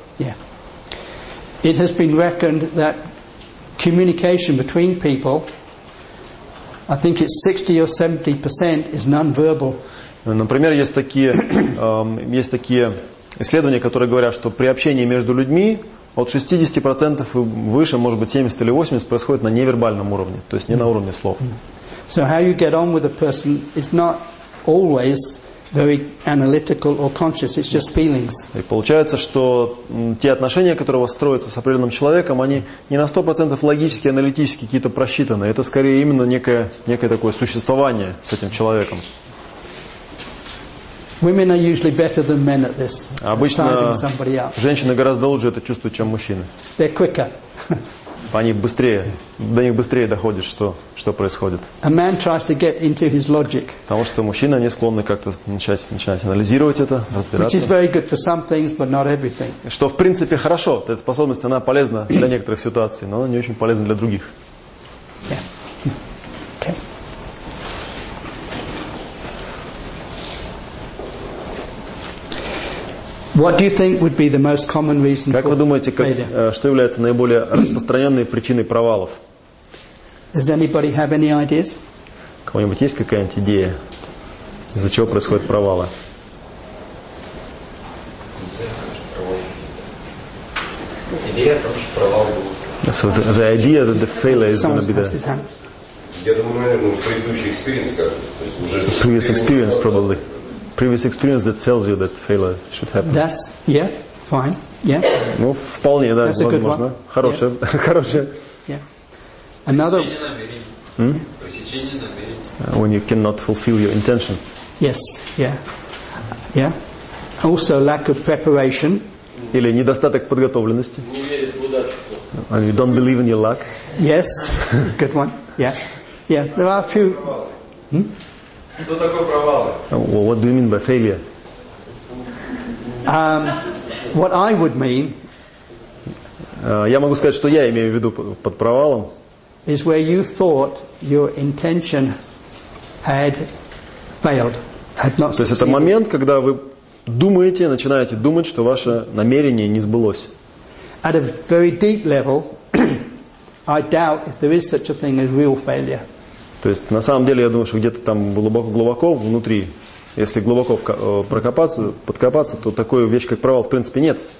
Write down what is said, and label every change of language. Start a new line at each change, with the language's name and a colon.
English: Yeah. It has been reckoned that communication between people, I think it's 60 or 70% is non-verbal.
Russian: Например, есть такие исследования, которые говорят, что при общении между людьми от 60% и выше, может быть, 70 или 80% происходит на невербальном уровне, то есть не на уровне слов.
English: So how you get on with a person is not always very analytical or conscious, it's just feelings.
Russian: И получается, что те отношения, которые у вас строятся с определенным человеком, они не на 100% логически, аналитически какие-то просчитаны. Это скорее именно некое такое существование с этим человеком.
English: Women are usually better than men at this.
Russian: Обычно женщины гораздо лучше это чувствуют, чем мужчины.
English: They're quicker.
Russian: Они быстрее, до них быстрее доходит, что происходит.
English: A man tries to get into his logic.
Russian: Потому что мужчины, они склонны как-то начинать анализировать это, разбираться.
English: Which is very good for some things, but not everything.
Russian: Что в принципе хорошо, эта способность она полезна для некоторых ситуаций, но она не очень полезна для других.
English: What do you think would be the most common reason?
Russian: Как вы думаете, что является наиболее распространенной причиной провалов?
English: Does anybody have any ideas?
Russian: У кого-нибудь есть какая-нибудь идея, из-за чего происходят провалы? Идея о том, что провал будет.
English: So the idea that the failure is going to be there.
Russian: Я думаю, предыдущий experience, как
English: previous experience probably. Previous experience that tells you that failure should happen. That's yeah, fine, yeah.
Russian: Ну вполне, да, возможно. Хорошее.
English: Yeah. Another. When you cannot fulfill your intention. Yes. Yeah. Yeah. Also lack of preparation.
Russian: Или недостаток подготовленности.
English: And you don't believe in your luck. Yes. Good one. Yeah. Yeah. There are a few. Well, what do you mean by failure? What I would mean.
Russian: Я могу сказать, что я имею в виду под провалом.
English: Is where you thought your intention had failed, had not succeeded.
Russian: То есть это момент, когда вы думаете, начинаете думать, что ваше намерение не сбылось.
English: At a very deep level, I doubt if there is such a thing as real failure.
Russian: То есть, на самом деле, я думаю, что где-то там глубоко-глубоко внутри, если глубоко прокопаться, подкопаться, то такой вещь, как провал, в принципе, нет.